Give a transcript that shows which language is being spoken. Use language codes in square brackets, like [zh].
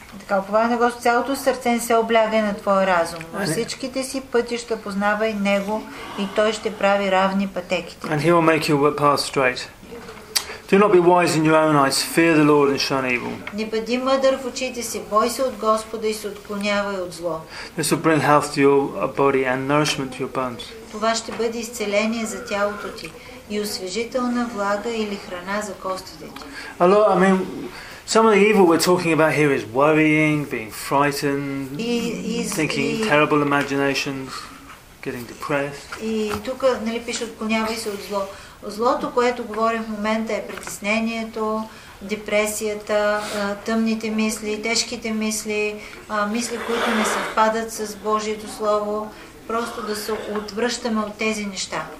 [bg] Уповавай на Господ цялото сърце, не се облягай на твой разум. Във всичките си пътища познавай Него и Той ще прави равни пътеките. [en] And He will make your path straight. Do not be wise in your own eyes. Fear the Lord and shun evil. [bg] Не бъди мъдър в очите си. Бой се от Господа и се отклонявай от зло. [en] This will bring health to your body and nourishment to your bones. [bg] Това ще бъде изцеление за тялото ти и освежителна влага или храна за костите ти. [en] Hello, I mean, some of the evil we're talking about here is worrying, being frightened, thinking terrible imaginations, getting depressed. [bg] И тук, нали, пише отклонявай се от зло. Злото, което говорим в момента, е притеснението, депресията, тъмните мисли, тежките мисли, мисли, които не съвпадат с Божието Слово, просто да се отвръщаме от тези неща.